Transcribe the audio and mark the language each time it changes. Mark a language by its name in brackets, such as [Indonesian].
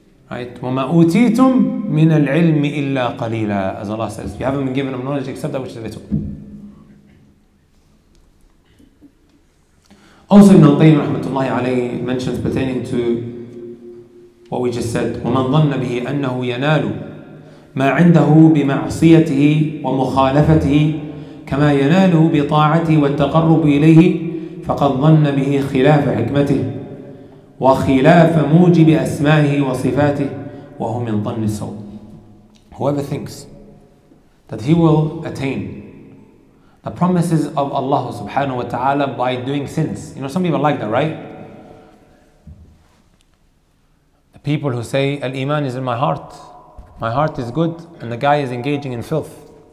[Arabic] Right? وَمَا أُوتِيتُم مِنَ الْعِلْمِ إِلَّا قَلِيلًا. [English] As Allah says, you haven't been given him knowledge except that which is little. Also, Ibn al-Qayyim rahmatullahi alayhi mentions pertaining to what we just said, [Arabic] وَمَنْ ظَنَّ بِهِ أَنَّهُ يَنَالُ ما عنده بمعصيته ومخالفته كما يناله بطاعته والتقرب إليه فقد ظن به خلاف حكمته وخلاف موجب أسمائه وصفاته وهو من ظن السوء. [English] Whoever thinks that he will attain the promises of Allah subhanahu wa ta'ala by doing sins. You know, some people like that, right? The people who say, Al-Iman is in my heart. My heart is good, and the guy is engaging in filth.